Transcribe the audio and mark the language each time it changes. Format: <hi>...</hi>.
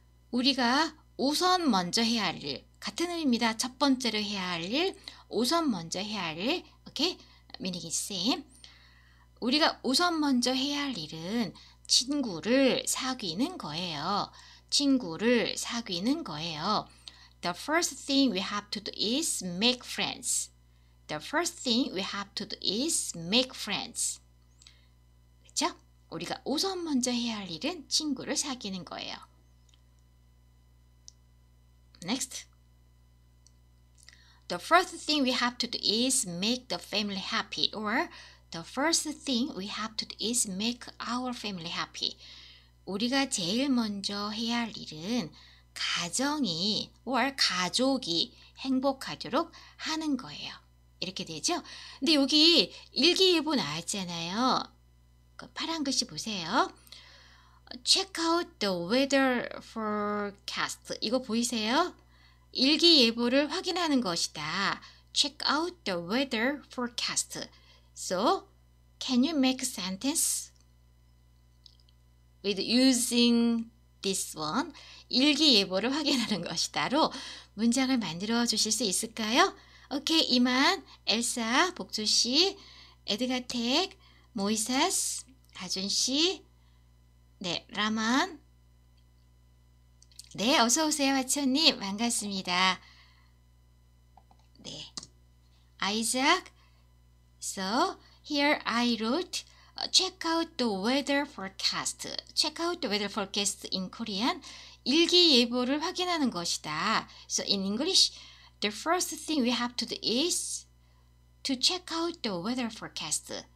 <ko>우리가 우선 먼저 해야 할 일, 같은 의미입니다. 첫 번째로 해야 할 일, 우선 먼저 해야 할 일, okay?</ko> <en>meaning is same.</en> <ko>우리가 우선 먼저 해야 할 일은 친구를 사귀는 거예요. 친구를 사귀는 거예요.</ko> <en>The first thing we have to do is make friends. The first thing we have to do is make friends.</en> <ko>그렇죠? 우리가 우선 먼저 해야 할 일은 친구를 사귀는 거예요.</ko> <en>Next, the first thing we have to do is make the family happy or the first thing we have to do is make our family happy.</en> <ko>우리가 제일 먼저 해야 할 일은 가정이 or 가족이 행복하도록 하는 거예요. 이렇게 되죠? 근데 여기 일기예보 나왔잖아요. 그 파란 글씨 보세요.</ko> <en>Check out the weather forecast.</en> <ko>이거 보이세요? 일기 예보를 확인하는 것이다.</ko> <en>Check out the weather forecast. So, can you make a sentence with using this one?</en> <ko>일기 예보를 확인하는 것이다로 문장을 만들어 주실 수 있을까요? 오케이, 이만 엘사, 복주 씨, 에드가텍, 모이세스, 가준 씨, 네, 라만. 네, 어서 오세요, 하치원님. 반갑습니다. 네, 아이작.</ko> <en>So, here I wrote, check out the weather forecast. Check out the weather forecast in Korean.</en> <ko>일기예보를 확인하는 것이다.</ko> <en>So, in English, the first thing we have to do is to check out the weather forecast.</en>